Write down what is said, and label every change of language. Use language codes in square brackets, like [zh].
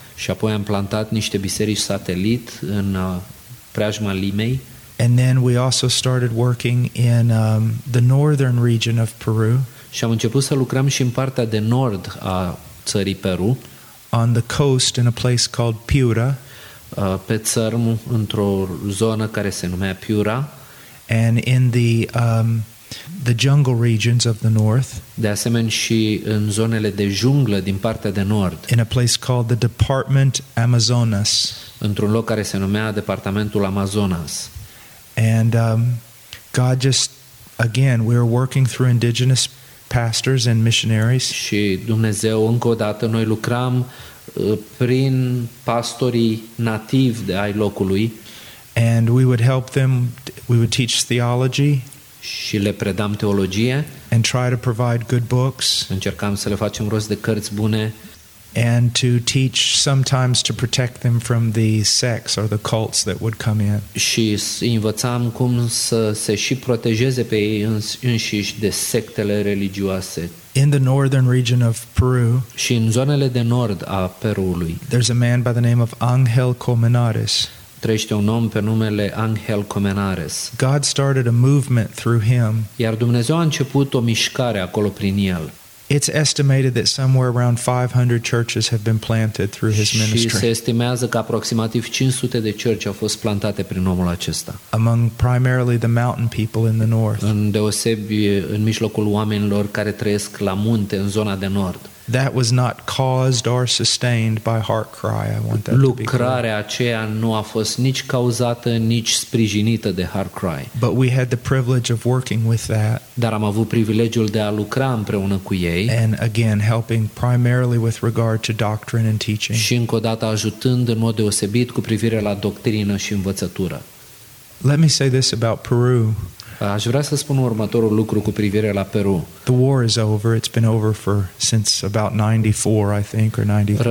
[ro] Și apoi am plantat niște biserici satelit în preajma Limei. [en] And then we also started working in the northern region of Peru. [ro] Și am început să lucrăm și în partea de nord a țării Peru, [en] on the coast in a place called Piura, [ro] pe țărm într-o zonă care se numea Piura, [en] and in the jungle regions of the north, [ro] de asemenea și în zonele de junglă din partea de nord, [en] in a place called the Department Amazonas, [ro] într-un loc care se numea Departamentul Amazonas. [en] And God just, again, we are working through indigenous pastors and missionaries. [ro] Și Dumnezeu, încă o dată, noi lucram prin pastorii nativi de ai locului. [en] And we would help them, we would teach theology. [ro] Și le predam teologie. [en] And try to provide good books. [ro] Încercam să le facem rost de cărți bune. [en] And to teach sometimes to protect them from the sects or the cults that would come in. [ro] Și învățam cum să se și protejeze pe ei înșiși de sectele religioase. [en] In the northern region of Peru. [ro] Și în zonele de nord a Perului. [en] There's a man by the name of Angel Comenares. [ro] Trăiește un om pe numele Angel Comenares. [en] God started a movement through him. [ro] Iar Dumnezeu a început o mișcare acolo prin el. [en] It's estimated that somewhere around 500 churches have been planted through his ministry. [ro] Și se estimează că aproximativ 500 de cerci au fost plantate prin omul acesta. [en] Among primarily the mountain people in the north. [ro] Îndeosebi în mijlocul oamenilor care trăiesc la munte în zona de nord. [en] That was not caused or sustained by heart cry. I want that [ro] Lucrarea aceea nu a fost nici cauzată, nici sprijinită de heart cry. [en] But we had the privilege of working with that. [ro] Dar am avut privilegiul de a lucra împreună cu ei. [en] And again, helping primarily with regard to doctrine and teaching. [ro] Și încă o dată ajutând în mod deosebit cu privire la doctrină și învățătură. [en] Let me say this about Peru. [ro] Aș vrea să spun următorul lucru cu privire la Peru. [en] The war is over. It's been over for since about 94, I think, or 93.